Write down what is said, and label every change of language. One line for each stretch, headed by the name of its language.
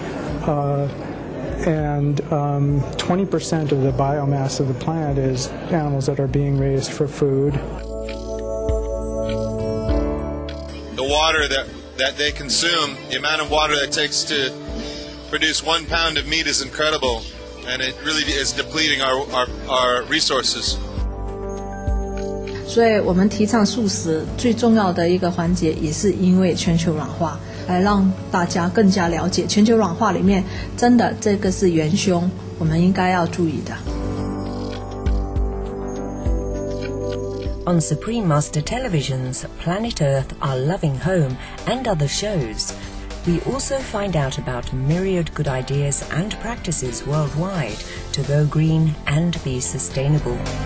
English: And 20% of the biomass of the planet is animals that are being raised for food. The water that they consume, the amount of water that it takes to produce 1 pound of meat is incredible, and it really is depleting our resources.
Chinese: 所以我们提倡素食最重要的一个环节，也是因为全球暖化，来让大家更加了解全球暖化里面真的这个是元凶，我们应该要注意的。On
English: Supreme Master Television's Planet Earth, Our Loving Home and other shows, we also find out about myriad good ideas and practices worldwide to go green and be sustainable.